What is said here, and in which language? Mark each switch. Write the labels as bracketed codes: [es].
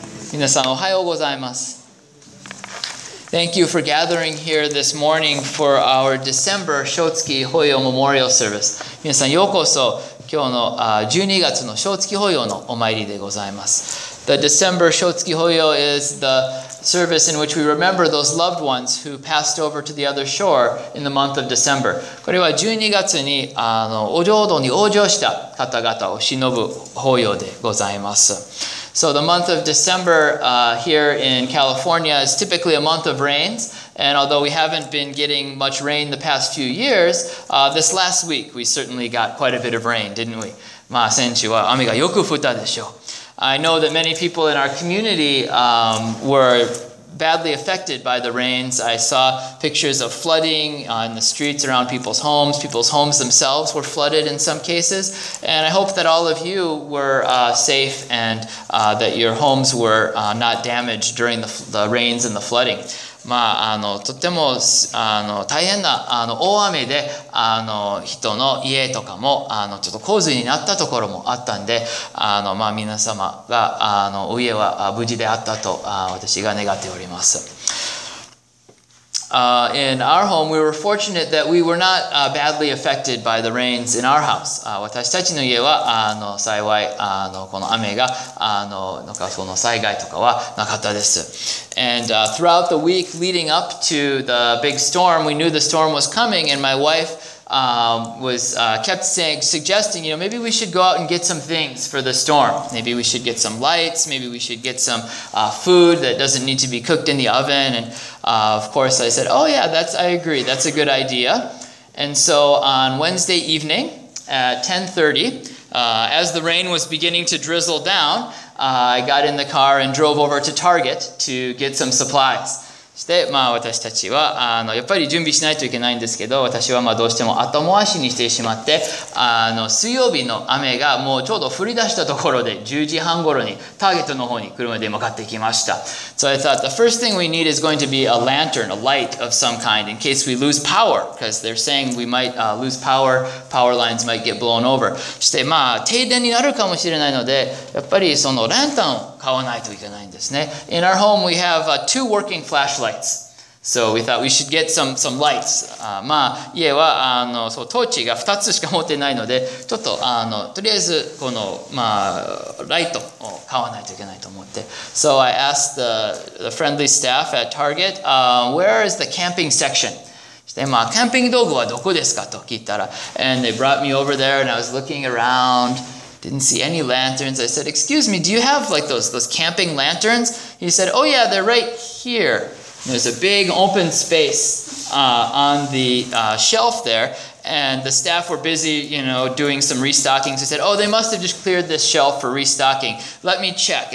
[ja] 皆さんおはようございます。 [en] Thank you for gathering here this morning for our December Shotsuki Hoyo Memorial Service. [ja] 皆さんようこそ今日の12月の Shotsuki Hoyo のお参りでございます。 [en] The December Shotsuki Hoyo is the service in which we remember those loved ones who passed over to the other shore in the month of December. [ja] これは12月にお浄土に往生した方々を偲ぶ法要でございます。 [en] So the month of December here in California is typically a month of rains. And although we haven't been getting much rain the past few years, this last week we certainly got quite a bit of rain, didn't we? [ja] まあ先週は雨がよく降ったでしょう。 [en] I know that many people in our community were badly affected by the rains. I saw pictures of flooding on the streets around people's homes. People's homes themselves were flooded in some cases. And I hope that all of you were safe and that your homes were not damaged during the rains and the flooding. [ja] まあ、とても大変な大雨で人の家とかもちょっと洪水になったところもあったんで、まあ、皆様がお家は無事であったと私が願っております。 [en] In our home, we were fortunate that we were not badly affected by the rains in our house. [ja] 私たちの家は幸いこの雨がなんかその災害とかはなかったです。 [en] And throughout the week leading up to the big storm, we knew the storm was coming, and my wife kept saying, suggesting, you know, maybe we should go out and get some things for the storm. Maybe we should get some lights. Maybe we should get some food that doesn't need to be cooked in the oven. And of course, I said, oh yeah, I agree. That's a good idea. And so on Wednesday evening at 10:30, as the rain was beginning to drizzle down, I got in the car and drove over to Target to get some supplies. [ja] して、まあ、私たちはやっぱり準備しないといけないんですけど、私はまあどうしても後回しにしてしまって、水曜日の雨がもうちょうど降り出したところで10時半頃にターゲットの方に車で向かってきました。 [en] So I thought the first thing we need is going to be a lantern, a light of some kind in case we lose power, because they're saying we might lose power, power lines might get blown over. [ja] して、まあ、停電になるかもしれないので、やっぱりそのランタンを買わないといけないんですね。 [en] In our home, we have two working flashlights. So we thought we should get some lights. [ja] まあ、家はそうトーチが2つしか持ってないので、ちょっととりあえずこの、まあ、ライトを買わないといけないと思って。 [en] So I asked the friendly staff at Target, where is the camping section? [ja] で、まあ、キャンピング道具はどこですかと聞いたら、 [en] And they brought me over there and I was looking around. Didn't see any lanterns. I said, excuse me, do you have like those camping lanterns? He said, oh yeah, they're right here. There's a big open space on the shelf there. and the staff were busy, you know, doing some restocking. So he said, oh, they must have just cleared this shelf for restocking. Let me check.